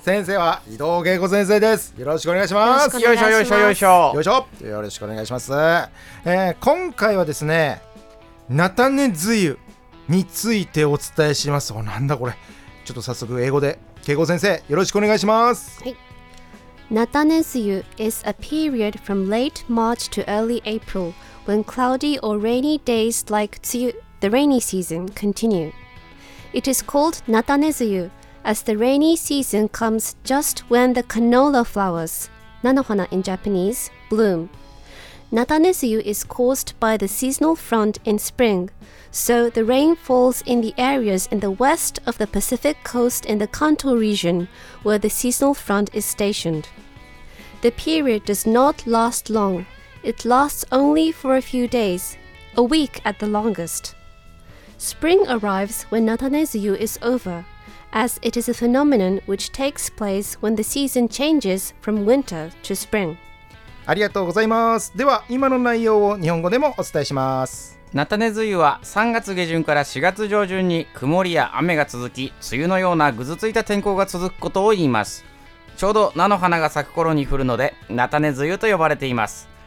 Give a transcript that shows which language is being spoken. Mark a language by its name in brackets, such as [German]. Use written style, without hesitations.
[Japanese] 先生は移動稽古先生です。よろしくお願いします。よいしょよいしょよいしょよいしょ、よろしくお願いします。今回はですね、菜種梅雨についてお伝えします。なんだこれ。ちょっと早速英語で稽古先生よろしくお願いします。はい。 [English] 菜種梅雨 is a period from late March to early April when cloudy or rainy days like the rainy season continue. It is called 菜種梅雨 as the rainy season comes just when the canola flowers, 菜の花 in Japanese, bloom. 菜種梅雨 is caused by the seasonal front in spring, so the rain falls in the areas in the west of the Pacific coast in the Kanto region where the seasonal front is stationed. The period does not last long. It lasts only for a few days, a week at the longest. Spring arrives when 菜種梅雨 is over, as it is a phenomenon which takes place when the season changes from winter to spring. [Japanese] ありがとうございます。では今の内容を日本語でもお伝えします。菜種梅雨は3月下旬から4月上旬に曇りや雨が続き、梅雨のようなぐずついた天候が続くことを言います。ちょうど菜の花が咲く頃に降るので、菜種梅雨と呼ばれています。